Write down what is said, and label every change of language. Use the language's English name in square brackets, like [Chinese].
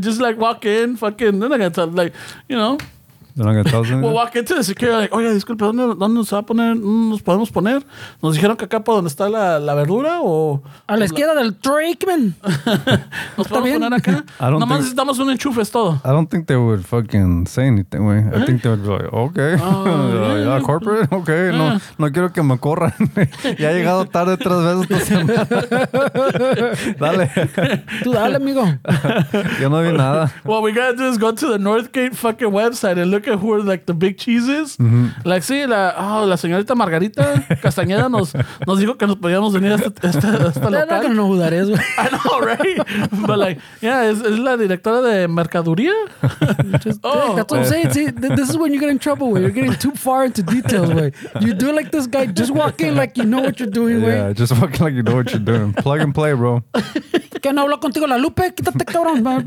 [English] Just like walk in, fucking, then I got to, like, you know. They're not going to tell us anything. We'll walk into the security, like, [Spanish] oye, disculpe, ¿dónde nos va a poner? ¿Dónde nos podemos poner? Nos dijeron que acá por donde está la verdura o. A la izquierda del Drakeman. ¿Nos podemos bien? Poner acá? Nomás necesitamos un enchufe, es todo. [English] I don't think they would fucking say anything, güey. ¿Eh? I think they would be like, okay. Yeah, corporate, okay. Yeah. [Spanish] No quiero que me corran. Ya he llegado tarde 3 veces esta semana. Dale. Tú dale, amigo. Yo no vi nada. [English] What we got to do is go to the Northgate fucking website and look at who are like the big cheeses. Mm-hmm. Like, see, [Spanish] la señorita Margarita Castañeda nos dijo que nos podíamos venir a esta local. [English] They're not gonna know who that is. I know, right? But like, yeah, [Spanish] es la directora de mercaduría. [English] That's what I'm saying. See, this is when you get in trouble, where you're getting too far into details, way. You do it like this guy, just walk in like you know what you're doing, yeah, way. Yeah, just walk in like you know what you're doing. Plug and play, bro. [Spanish] Que no hablo contigo la Lupe, quítate cabrón.